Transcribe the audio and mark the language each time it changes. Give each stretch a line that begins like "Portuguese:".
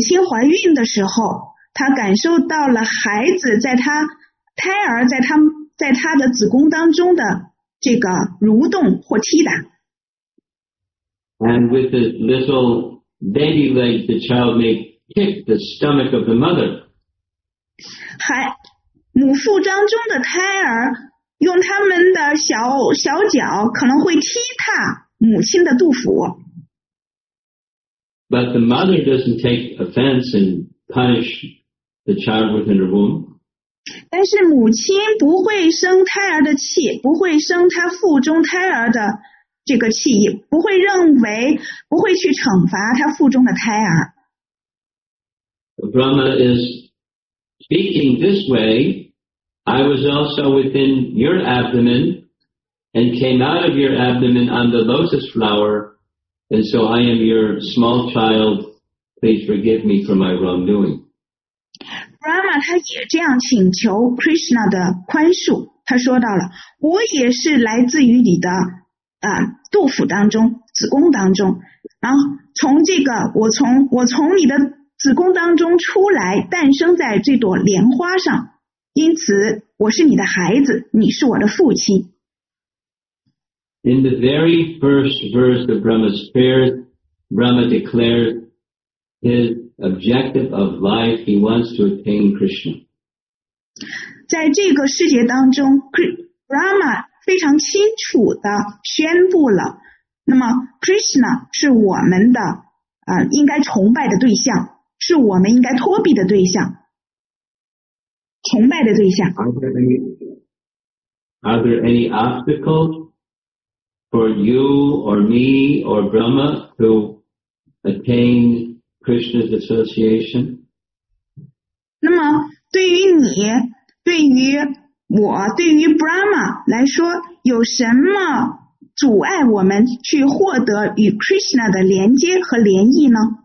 Chinese: 就像是母亲怀孕的时候, 她感受到了孩子在她, 胎儿在她, 在她的子宫当中的这个蠕动或踢打。
English: And with his little baby leg, the child may kick the stomach of the mother.
Chinese: 母腹当中的胎儿 用他们的小脚可能会踢踏母亲的肚腹。
English: But the mother doesn't take offense and punish the child within her womb.
Chinese: 但是母亲不会生胎儿的气, 不会生她腹中胎儿的这个气, 不会认为, 不会去惩罚她腹中的胎儿。
English: Brahma is speaking this way, I was also within your abdomen and came out of your abdomen on the lotus flower, and so I am your small child. Please forgive me for my wrongdoing.
Chinese: Brahma 他也这样请求 Krishna 的宽恕, 他说到了, 我也是来自于你的, 肚腹当中, 子宫当中, 然后从这个, 我从, 我从你的 子宫当中出来, 诞生在这朵莲花上, 因此我是你的孩子, 你是我的父亲。
English: In the very first verse of Brahma's prayers, Brahma declares his objective of life, he wants to attain Krishna.
Chinese: 在这个世界当中, Brahma 非常清楚地宣布了, 那么 Krishna 是我们的, 应该崇拜的对象。是我们应该托庇的对象, 崇拜的对象。
English: Are there any obstacles for you or me or Brahma to attain Krishna's association?
Chinese: 那么对于你, 对于我, 对于 Brahma 来说, 有什么阻碍我们去获得与 Krishna 的连接和联谊呢?